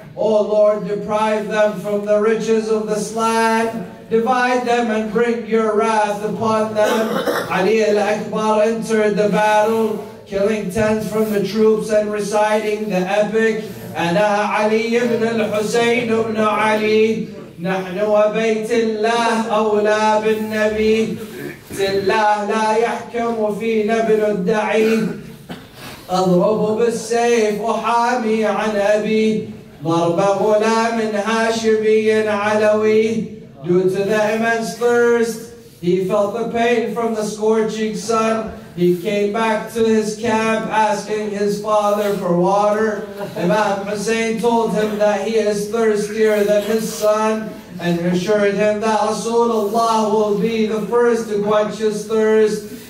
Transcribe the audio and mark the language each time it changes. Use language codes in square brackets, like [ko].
[en] O Lord, deprive them from the riches of this land. Divide them and bring your wrath upon them. Ali al-Akbar entered the battle, killing 10 from the troops and reciting the epic. [ar] Ana Ali ibn al-Husayn ibn Ali. نحن وبيت الله أولى بالنبي الله لا يحكم في نبل الدعي أضرب بالسيف وحامي عن أبي ضرب غلام هاشمي علوي. [en] Due to the immense thirst, he felt the pain from the scorching sun. He came back to his camp asking his father for water. Imam Hussein told him that he is thirstier than his son and assured him that Rasulullah will be the first to quench his thirst.